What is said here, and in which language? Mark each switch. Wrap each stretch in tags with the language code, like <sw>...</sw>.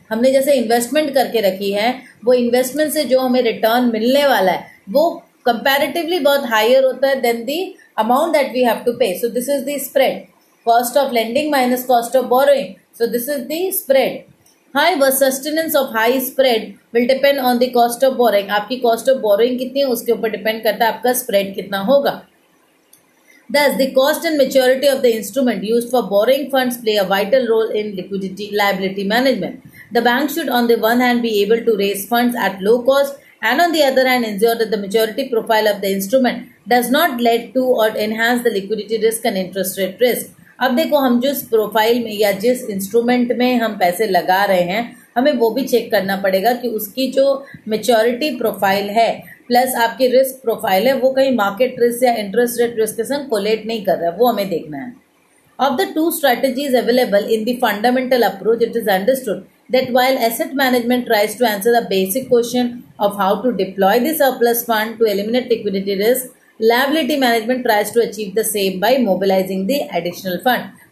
<hi>हमने जैसे इन्वेस्टमेंट करके रखी है वो इन्वेस्टमेंट से जो हमें रिटर्न मिलने वाला है वो कंपैरेटिवली बहुत हायर होता है</hi> <en>Than the amount that we have to pay. So this is the spread, cost of lending minus cost of borrowing, so this is the spread. High व sustenance of high spread will depend on the cost of borrowing.</en> <hi>आपकी cost of borrowing कितनी है उसके ऊपर depend करता है आपका spread कितना होगा।</hi> <en>Thus, the cost and maturity of the instrument used for borrowing funds play a vital role in liquidity liability management. The bank should on the one hand be able to raise funds at low cost and on the other hand ensure that the maturity profile of the instrument does not lead to or enhance the liquidity risk and interest rate risk.</en> <hi>अब देखो हम जिस profile में या जिस instrument में हम पैसे लगा रहे हैं हमें वो भी check करना पड़ेगा कि उसकी जो maturity profile है प्लस आपकी रिस्क प्रोफाइल है वो कहीं मार्केट रिस्क या इंटरेस्ट रेट रिस्क के संग कोलेट नहीं कर रहा है, वो हमें देखना है।</hi> <en>Of the two strategies available in the fundamental approach it is understood that while asset management tries to answer the basic question of how to deploy the surplus fund to eliminate liquidity risk, liability management tries to achieve the same by mobilising the additional fund.</en>